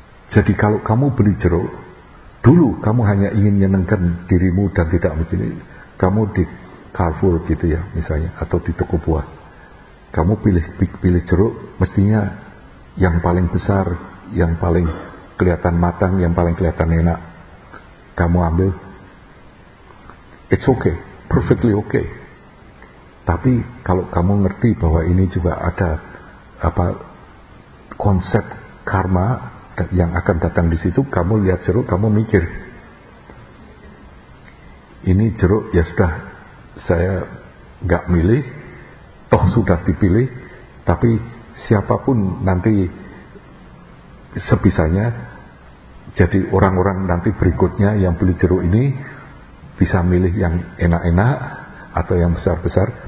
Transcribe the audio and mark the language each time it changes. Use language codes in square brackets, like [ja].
[id] Jadi kalau kamu beli jeruk, dulu kamu hanya ingin menyenangkan dirimu dan tidak mikir, kamu di Carrefour gitu ya misalnya, atau di toko buah, kamu pilih jeruk, mestinya yang paling besar, yang paling kelihatan matang, yang paling kelihatan enak, kamu ambil. [en] It's okay, perfectly okay. [id] Tapi kalau kamu ngerti bahwa ini juga ada apa konsep karma yang akan datang di situ, kamu lihat jeruk, kamu mikir, ini jeruk ya sudah, saya gak milih, toh sudah dipilih, tapi siapapun nanti sebisanya, jadi orang-orang nanti berikutnya yang beli jeruk ini bisa milih yang enak-enak atau yang besar-besar.